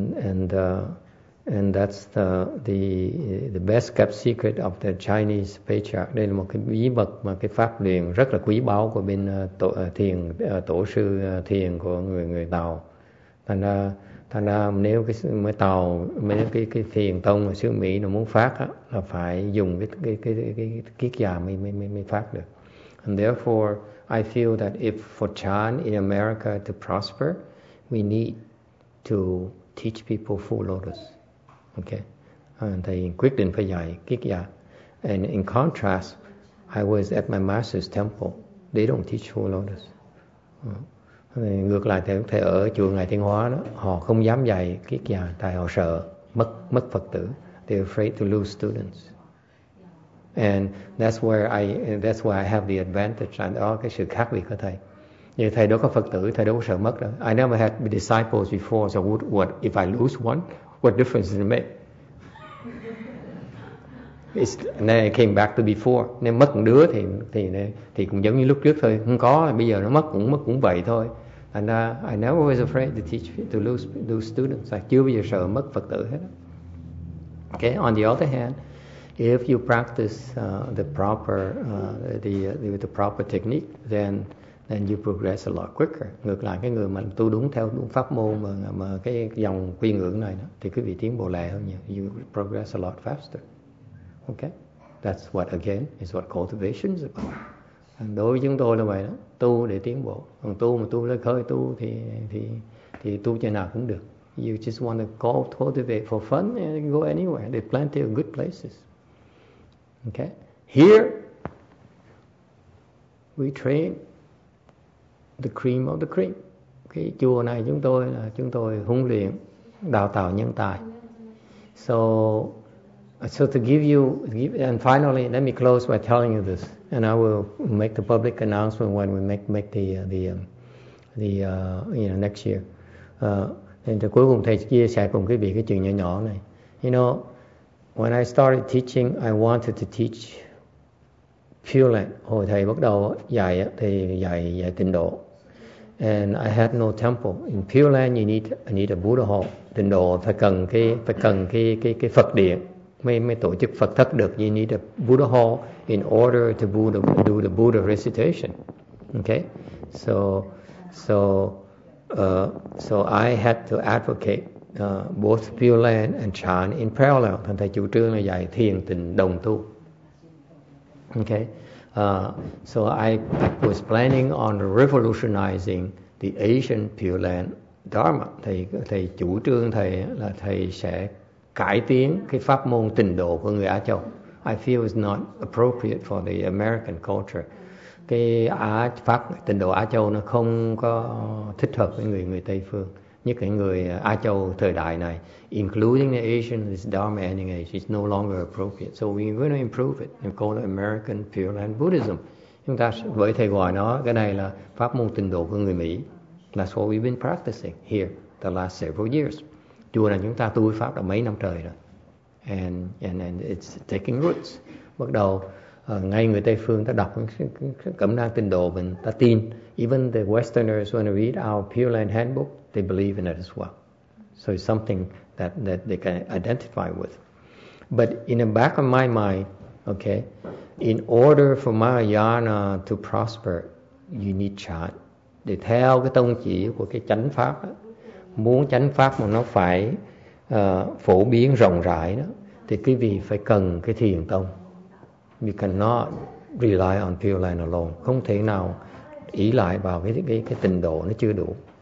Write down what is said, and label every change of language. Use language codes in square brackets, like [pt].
[en] And that's the best kept secret of the Chinese patriarch. [vi] Đây là một cái bí mật mà cái pháp luyện rất là quý báu của bên tổ sư thiền của người Tàu. Thành ra nếu cái mới Tàu nếu cái thiền tông ở xứ Mỹ nó muốn phát á, là phải dùng cái kiết già mới phát được. [en] And therefore I feel that if for Chan in America to prosper, we need to teach people full lotus. Okay. [vi] And thầy quyết định phải dạy kiết già. [en] And in contrast, I was at my master's temple. They don't teach full lotus. [vi] Ngược lại thầy ở chùa Ngài Thiên Hóa đó, họ không dám dạy kiết già tại họ sợ mất Phật tử. [en] They're afraid to lose students. And that's where I have the advantage and all [vi] cái sự khác biệt của thầy. Như thầy đâu có Phật tử, thầy đâu có sợ mất đâu. [en] I never had disciples before, so what if I lose one? What difference does it make? And then it came back to before. [vi] Nên mất một đứa thì cũng giống như lúc trước thôi. Không có, bây giờ nó mất cũng vậy thôi. [en] And I never was afraid to lose students. [vi] I chưa bao giờ sợ mất Phật tử hết. [en] Okay, on the other hand, if you practice the proper technique, then you progress a lot quicker. [vi] Ngược lại, cái người mà tu đúng theo đúng pháp môn mà cái dòng quy ngưỡng này đó, thì quý vị tiến bộ lẹ hơn nhiều. [en] You progress a lot faster. Okay, that's what again is what cultivation is about. [vi] And đối với chúng tôi là vậy đó, tu để tiến bộ. Còn tu mà tu lơi khơi tu thì tu chỗ nào cũng được. [en] You just want to cultivate for fun and go anywhere. There are plenty of good places. Okay, here we train the cream of the cream. [vi] Cái chùa này chúng tôi huấn luyện đào tạo nhân tài. [en] So to give and finally let me close by telling you this, and I will make the public announcement when we make the next year. [vi] And cuối cùng thầy chia sẻ cùng quý vị cái chuyện nhỏ này. [en] You know, when I started teaching, I wanted to teach feel like [vi] hồi thầy bắt đầu dạy thì dạy dạy tịnh độ. [en] And I had no temple. In Pure Land, you need a Buddha hall. [vi] Tịnh độ phải cần cái Phật điện mới tổ chức Phật thất được. [en] You need a Buddha hall in order to do the Buddha recitation. Okay, so I had to advocate both Pure Land and Chan in parallel. [vi] Thành thầy chủ trương là dạy thiền tịnh đồng tu. Okay. [en] So I was planning on revolutionizing the Asian Pure Land Dharma. [vi] Thầy chủ trương thầy là thầy sẽ cải tiến cái pháp môn tịnh độ của người Á Châu. [en] I feel it's not appropriate for the American culture. [vi] Cái pháp tịnh độ Á Châu nó không có thích hợp với người Tây phương, nhất là người Á Châu thời đại này. [en] Including the Asian, this Dharma ending age is no longer appropriate. So we're going to improve it and call it American Pure Land Buddhism. [vi] Chúng ta với thầy gọi nó cái này là pháp môn tịnh độ của người Mỹ. [en] That's what we've been practicing here the last several years. [vi] Chùa này chúng ta tu pháp đã mấy năm trời rồi. [en] And it's taking roots. [vi] Bắt đầu ngay người Tây phương ta đọc cẩm nang tịnh độ mình ta tin. [en] Even the Westerners when they read our Pure Land handbook, they believe in it as well. So it's something that they can identify with. But in the back of my mind, okay, in order for Mahayana to prosper, you need chan. [vi] Để theo cái tông chỉ của cái chánh pháp đó, muốn chánh pháp mà nó phải phổ biến rộng rãi đó, thì quý vị phải cần cái thiền tông. [en] You cannot rely on Pure Land alone. [vi] Không thể nào ý lại vào cái tình độ nó chưa đủ.